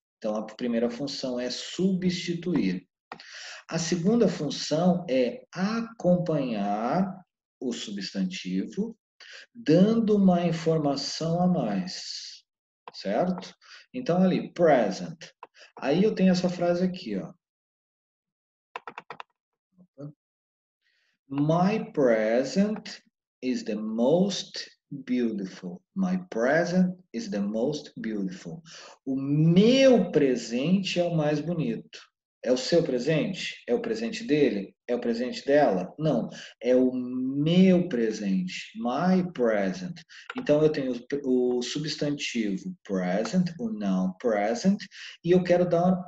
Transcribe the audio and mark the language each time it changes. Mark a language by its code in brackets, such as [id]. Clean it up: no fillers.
[pt] Então, a primeira função é substituir. A segunda função é acompanhar o substantivo, dando uma informação a mais, certo? Então, ali, present. Aí eu tenho essa frase aqui, ó. [en] My present is the most beautiful. My present is the most beautiful. [pt] O meu presente é o mais bonito. É o seu presente? É o presente dele? É o presente dela? Não. É o meu presente. [en] My present. [pt] Então, eu tenho o substantivo present, o noun present, e eu quero dar.